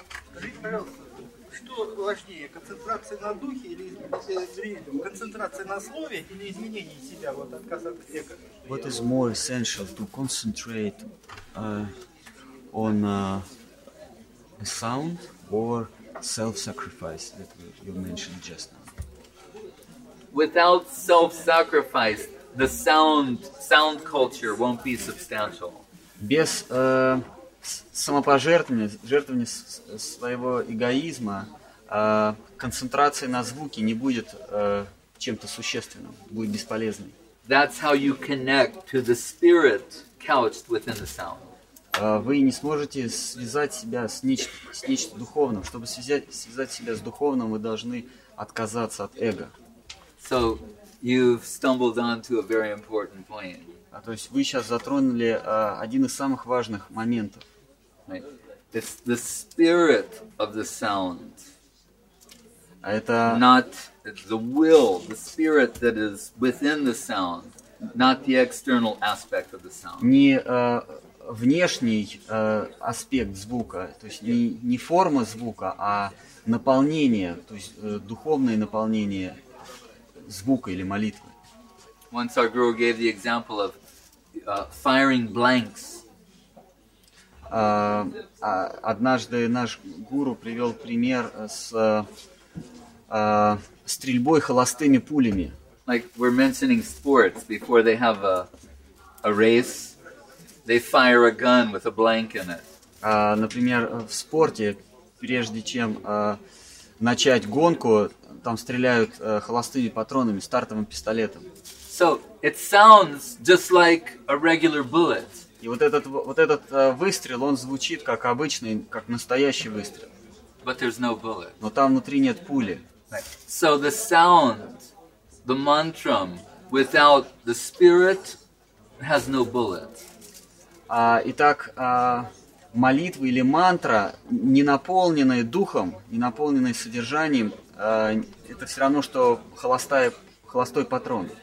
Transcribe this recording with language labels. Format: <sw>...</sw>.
<ru>Скажите, пожалуйста, что важнее, концентрация на духе или зрением? Концентрация на слове или изменение себя, вот отказ от эго?</ru> <en>What is more essential, to concentrate on a sound or self-sacrifice that you mentioned just now? Without self-sacrifice, the sound culture won't be substantial.</en> <ru>Без самопожертвования своего эгоизма, концентрации на звуке не будет чем-то существенным, будет бесполезной.</ru> <en>That's how you connect to the spirit couched within the sound.</en> <ru>Вы не сможете связать себя с нечто духовным. Чтобы связать себя с духовным, вы должны отказаться от эго.</ru> <en>So you've stumbled onto a very important point.</en> <ru>То есть вы сейчас затронули один из самых важных моментов.</ru> <en>It's the spirit of the sound.</en> <ru>Это</ru> <en>not the will, the spirit that is within the sound, not the external aspect of the sound.</en> <ru>Не внешний аспект звука, то есть не форма звука, а наполнение, то есть духовное наполнение звука или молитвы.</ru> <en>Once our guru gave the example of firing blanks.</en> <ru>Однажды наш гуру привел пример с стрельбой холостыми пулями.</ru> <en>Like we're mentioning sports, before they have a race, they fire a gun with a blank in it.</en> <ru>Например, в спорте, прежде чем начать гонку, там стреляют холостыми патронами, стартовым пистолетом.</ru> <en>So it sounds just like a regular bullet.</en> <ru>И вот этот выстрел, он звучит как обычный, как настоящий выстрел.</ru> <en>But there's no bullet.</en> <ru>Но там внутри нет пули.</ru> <en>So the sound, the mantra, without the spirit, has no bullet.</en> <ru>Итак, молитва или мантра, не наполненная духом, не наполненная содержанием, это все равно, что холостой патрон.</ru>